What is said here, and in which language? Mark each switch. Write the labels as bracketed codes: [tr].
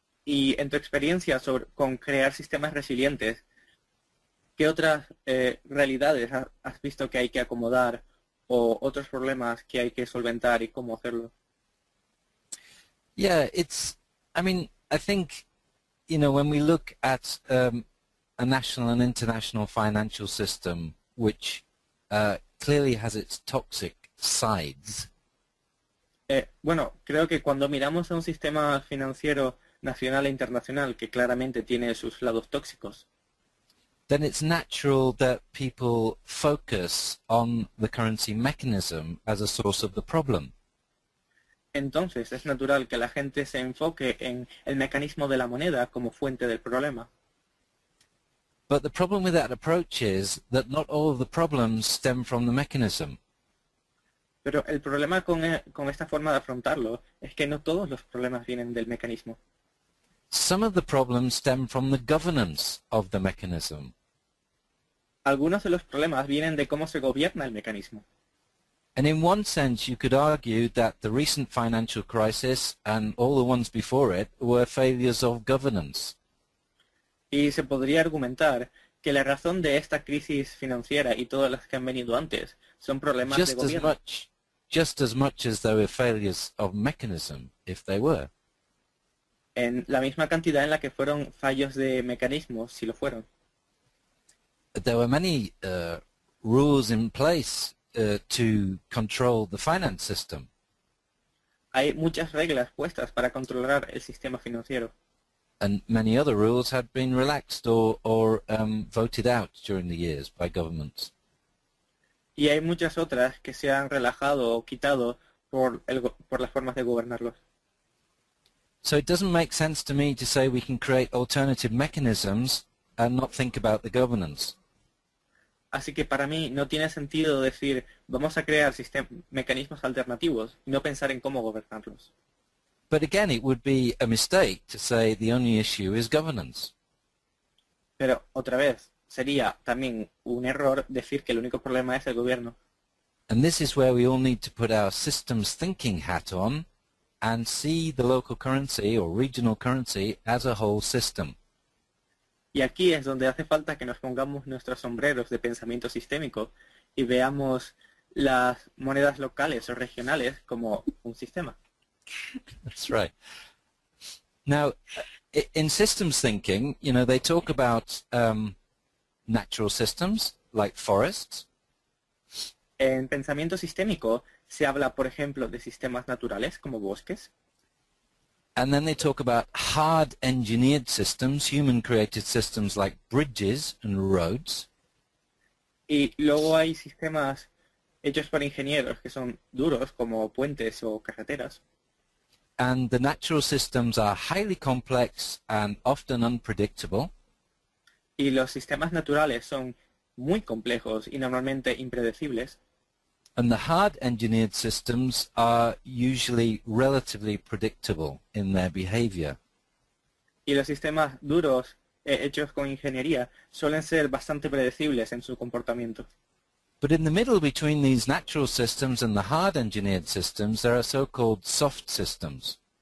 [es] Y en tu experiencia con crear sistemas resilientes, ¿qué otras realidades has visto que hay que acomodar o otros problemas que hay que solventar y cómo hacerlo? [en] Yeah, I think, you know, when we look at a national and international financial system, which clearly has its toxic sides. [es] Bueno, creo que cuando miramos a un sistema financiero nacional e internacional que claramente tiene sus lados tóxicos, [en] then it's natural that people focus on the currency mechanism as a source of the problem. [es] Entonces es natural que la gente se enfoque en el mecanismo de la moneda como fuente del problema. [en] But the problem with that approach is that not all of the problems stem from the mechanism. [es] Pero el problema con esta forma de afrontarlo es que no todos los problemas vienen del mecanismo. [en] Some of the problems stem from the governance of the mechanism. [es] Algunos de los problemas vienen de cómo se gobierna el mecanismo. [en] And in one sense, you could argue that the recent financial crisis and all the ones before it were failures of governance. [es] Y se podría argumentar que la razón de esta crisis financiera y todas las que han venido antes son problemas [en] just [es] de gobierno. [en] Just as much as they were failures of mechanism, if they were. [es] En la misma cantidad en la que fueron fallos de mecanismos, si lo fueron. [en] There were many rules in place to control the finance system. [es] Hay muchas reglas puestas para controlar el sistema financiero. [en] And many other rules had been relaxed or voted out during the years by governments. [es] Y hay muchas otras que se han relajado o quitado por las formas de gobernarlos. [en] So it doesn't make sense to me to say we can create alternative mechanisms and not think about the governance. [es] Así que para mí no tiene sentido decir vamos a crear mecanismos alternativos y no pensar en cómo gobernarlos. [en] But again, it would be a mistake to say the only issue is governance. [es] Pero otra vez, sería también un error decir que el único problema es el gobierno. [en] And this is where we all need to put our systems thinking hat on and see the local currency or regional currency as a whole system. [es] Y aquí es donde hace falta que nos pongamos nuestros sombreros de pensamiento sistémico y veamos las monedas locales o regionales como un sistema. [en] That's right. Now, in systems thinking, you know, they talk about natural systems like forests. [es] En pensamiento sistémico se habla, por ejemplo, de sistemas naturales como bosques. [en] And then they talk about hard engineered systems, human-created systems like bridges and roads. [es] Y luego hay sistemas hechos por ingenieros que son duros, como puentes o carreteras. [en] And the natural systems are highly complex and often unpredictable. [es] Y los sistemas naturales son muy complejos y normalmente impredecibles. [en] And the hard engineered systems are usually relatively predictable in their behavior. [es] Y los sistemas duros hechos con ingeniería suelen ser bastante predecibles en su comportamiento. [en] But in the middle between these natural systems and the hard engineered systems, there are so-called soft systems.